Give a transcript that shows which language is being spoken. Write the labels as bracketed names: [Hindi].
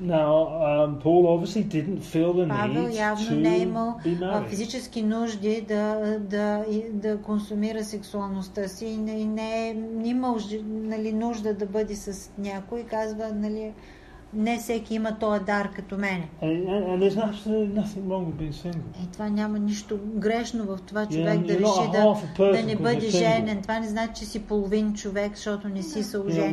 [English] Now, Paul obviously didn't feel the need [Bulgarian] Павел явно [English] to [Bulgarian] не е имал физически нужди да консумира сексуалността си и не е имал, нали, нужда да бъде с някой, казва, нали, не всеки има този дар като мене. [English] And there's absolutely nothing wrong with being single. [Bulgarian] И това няма нищо грешно в това човек да реши да не бъде женен. Това не значи, че си половин човек, защото не си съоженен.